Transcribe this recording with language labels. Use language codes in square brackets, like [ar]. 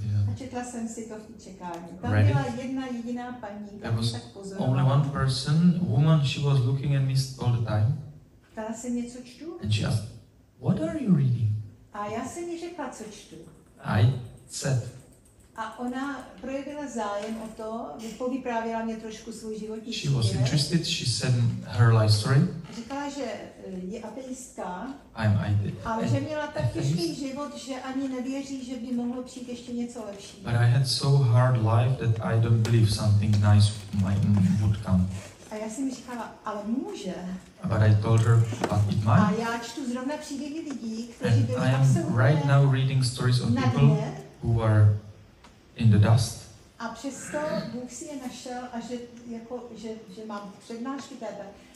[cs] A četla jsem si to v čekárně. Tam byla jedna jediná paní, která mě tak pozorovala. [en] Only one person, woman, she was looking at me all the time. [cs] Ptala jsem něco čtu. [en] And she asked, what are you reading? [cs] A já jsem jí řekla, co čtu. [en] I said. [cs] A ona projevila zájem o to, vyprávěla mě trošku svůj životní příběh. [en] She was interested, she said her life story. [cs] Říkala, že je ateistka, ale že měla tak těžký život, že ani nevěří, že by mohlo přijít ještě něco lepší. [en] But I had so hard life that I don't believe something nice would come. [cs] A já jsem říkala, ale může. [en] But I told her, but it might. [cs] A já čtu zrovna příběhy lidí, kteří byli [en] I am right now reading stories of people who are in the dust. [cs] A přesto Bůh si je našel a že jako že mám přednášky tebe.